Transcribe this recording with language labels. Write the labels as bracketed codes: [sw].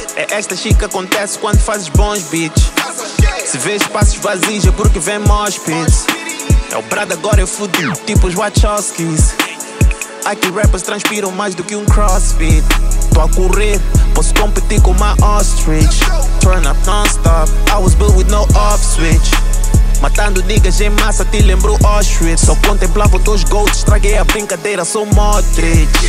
[pt] Esta chica acontece quando fazes bons beats. Se vês espaços vazios é porque vem mospits. É o brado agora, eu fudo tipo os Wachowskis. Aqui rappers transpiram mais do que um crossfit. Tô a correr, posso competir com uma ostrich. [en] Turn up non-stop, I was built with no off switch. [pt] Matando niggas em massa, te lembro Auschwitz. Só contemplava dois gols, estraguei a brincadeira, sou Modric.